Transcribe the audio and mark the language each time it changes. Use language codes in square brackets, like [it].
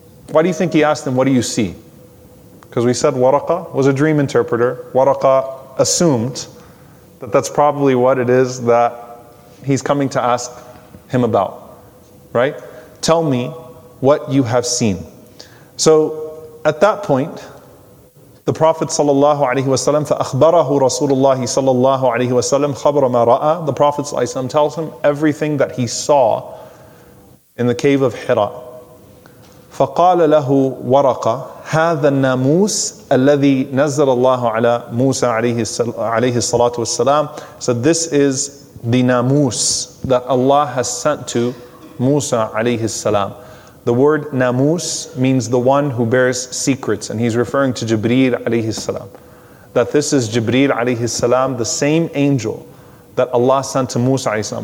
[en] Why do you think he asked him, what do you see? Because we said Waraqa was a dream interpreter. Waraqa assumed that that's probably what it is that he's coming to ask him about. Right? Tell me what you have seen. So at that point, the Prophet sallallahu alaihi wasallam, [ar] فَأَخْبَرَهُ رَسُولُ اللَّهِ صَلَّى اللَّهُ عَلَيْهِ وَسَلَّمْ خَبْرَ مَا رَأَى. [en] The Prophet sallallahu alaihi wasallam tells him everything that he saw in the cave of Hira. [ar] فَقَالَ لَهُ وَرَقَى هَذَا النَّمُوسِ الَّذِي نَزَّلَ اللَّهُ عَلَى مُوسَى عَلَيْهِ الصَّلَاةُ وَالسَّلَامُ. [en] So this is the namus that Allah has sent to Musa alayhi salam. The word namus means the one who bears secrets, and he's referring to Jibreel alayhi salam. That this is Jibreel alayhi salam, the same angel that Allah sent to Musa alayhi salam.